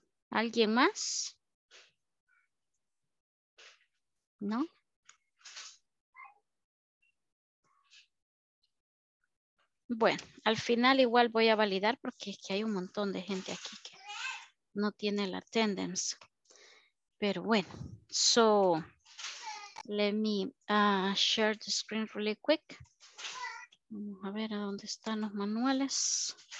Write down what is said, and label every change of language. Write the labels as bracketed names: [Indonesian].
[Spanish] ¿Alguien más? ¿No? Bueno, al final igual voy a validar porque es que hay un montón de gente aquí que no tiene la attendance. Pero bueno, [English] so let me share the screen really quick. [Spanish] Vamos a ver a dónde están los manuales.